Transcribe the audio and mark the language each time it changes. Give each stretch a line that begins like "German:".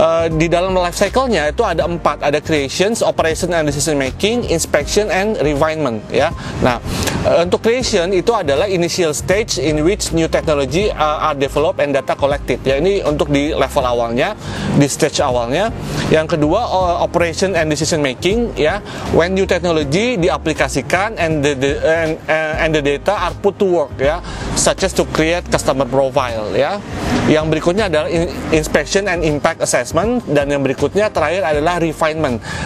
Indonesian: Di dalam life cycle-nya itu ada 4, ada creations, operation and decision making, inspection and refinement ya. Nah, untuk creation itu adalah
English: initial stage in which new technology are developed and data collected.
Indonesian: Ya, ini untuk di level awalnya, di stage awalnya. Yang kedua,
English: operation and decision making ya, when new technology diaplikasikan and the data are put to work ya, such as to create customer profile ya.
Indonesian: Yang berikutnya adalah inspection and impact assessment, dan yang berikutnya terakhir adalah refinement.